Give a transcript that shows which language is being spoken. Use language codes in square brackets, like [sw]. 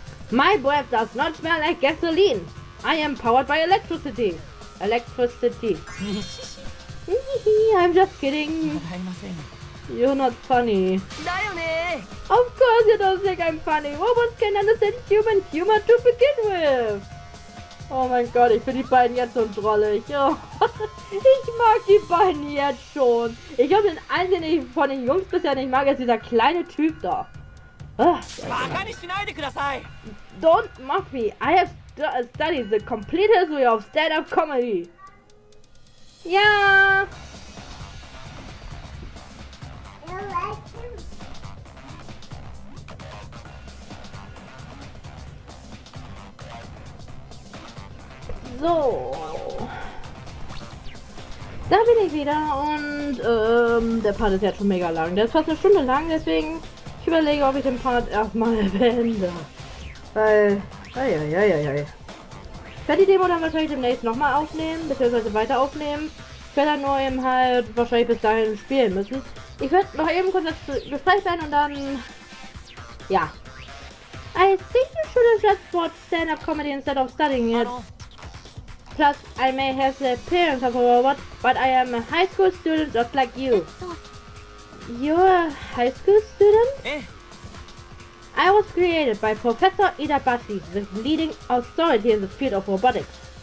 [en] My breath does not smell like gasoline. I am powered by electricity. Electricity. I'm just kidding. You're not funny. Of course you don't think I'm funny. Robots can understand human humor to begin with. [de] Oh mein Gott, ich finde die beiden jetzt schon drollig. Oh. Ich mag die beiden jetzt schon. Ich habe den einzigen von den Jungs bisher nicht mag, ist dieser kleine Typ da. [en] Don't mock me. I have studied the complete history of stand-up comedy. [de] Ja. So, da bin ich wieder und der Part ist jetzt schon mega lang. Der ist fast eine Stunde lang, deswegen ich überlege, ob ich den Part erstmal beende. Weil, ich werde die Demo dann wahrscheinlich demnächst nochmal aufnehmen, beziehungsweise weiter aufnehmen. Ich werde dann nur eben halt wahrscheinlich bis dahin spielen müssen. Ich werde noch eben kurz das Gespräch sein und dann... Ja. [en] I think you should have just watched stand-up comedy instead of studying it. Plus, I may have the appearance of a robot, but I am a high school student just like you. You're a high school student? I was created by Professor Itabashi, the leading authority in the field of robotics.